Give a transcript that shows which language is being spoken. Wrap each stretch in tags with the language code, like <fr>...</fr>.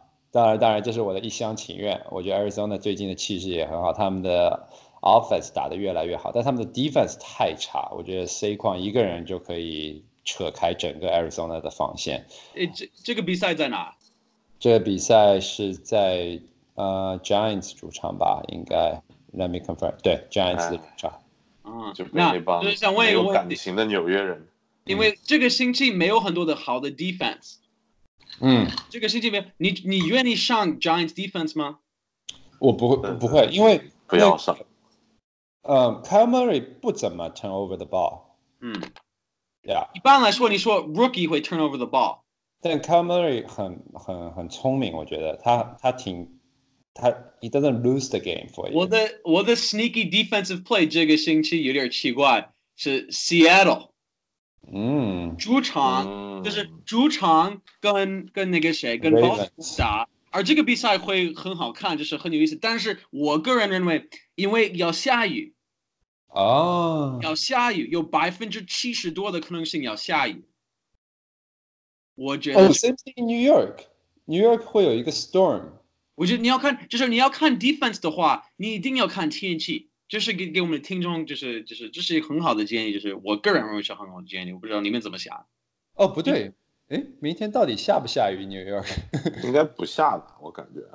<zh>当然这是我的一厢情愿，我觉得 Arizona 最近的气势也很好，他们的 offense 打得越来越好，但他们的 defense 太差，我觉得 C 矿一个人就可以扯开整个 Arizona 的防线。这个比赛在哪？这个比赛是在Giants 主场吧，应该。</zh> <en>Let me confirm，</en> <zh>对 ，Giants 的主场，就是想问一个没有感情的纽约人，因为这个星期没有很多的好的 defense， 这个星期没有，你愿意上 Giants defense 吗？我不会，因为不要上。</zh> <en>Kyle Murray</en> <zh>不怎么</zh> <en>turn over the ball， yeah，</en> <zh>一般来说，你说 rookie 会 turn over the ball，但 Kyle Murray 很聪明，我觉得他挺。</zh> <en>He doesn't lose the game for you.</en> <zh>我的 sneaky defensive play 这个星期有点奇怪，是 Seattle。主场就是主场跟那个谁跟 Boston 打，而这个比赛会很好看，就是很有意思。但是我个人认为，因为要下雨，要下雨，有70%多的可能性要下雨。我觉得</zh> <en>same thing in New York</en> <zh>会有一个</zh> <en>storm。</en> <zh>我觉得你要看，就是你要看 defense 的话，你一定要看天气。就是给我们的听众，就是这是一个很好的建议，就是我个人认为是很好的建议。我不知道你们怎么想。哦，不对，明天到底下不下雨 ？New York 应该不下吧？我感觉。</zh>